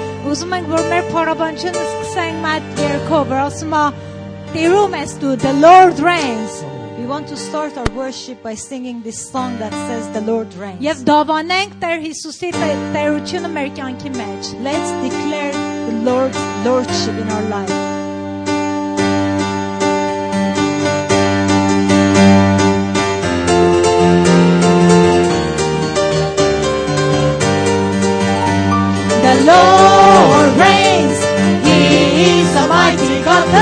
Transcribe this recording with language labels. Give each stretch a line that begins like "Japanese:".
Armenian: Ուզում ենք, որ մեր փառաբանությունը սկսենք մատ երգով, որ ասում է, «Տիրում ես դու,
English: the Lord reigns». We want to start our worship by singing this song that says, «The Lord reigns».
Armenian: Եվ դավանենք Տեր Հիսուսի տերությունը մեր կյանքի մեջ.
English: Let's declare the Lord's lordship in our life. The Lord reigns, He is the mighty God.